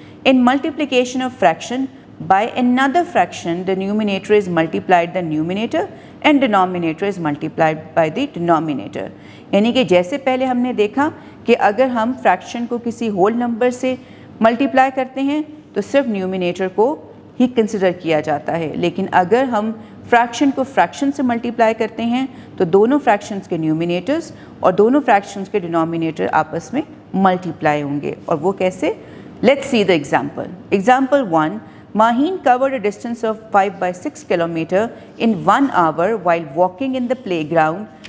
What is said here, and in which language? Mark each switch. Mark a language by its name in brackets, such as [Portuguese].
[English] In multiplication of fraction by another fraction, the numerator is multiplied by the numerator and denominator is multiplied by the denominator. [Urdu] یعنی کہ جیسے پہلے ہم نے دیکھا کہ اگر ہم فریکشن کو کسی ہول نمبر سے ملٹیپلائی کرتے ہیں تو صرف نیومینیٹر کو ہی کنسیڈر کیا جاتا ہے, لیکن اگر ہم فریکشن کو فریکشن سے ملٹیپلائی کرتے ہیں تو دونوں فریکشنز کے نیومینیٹرز اور دونوں فریکشنز کے ڈینومینیٹر آپس میں ملٹیپلائی ہوں گے. اور وہ کیسے؟ [English] Let's see the example. Example 1, Maheen covered a distance of 5/6 kilometre in 1 hour while walking in the playground.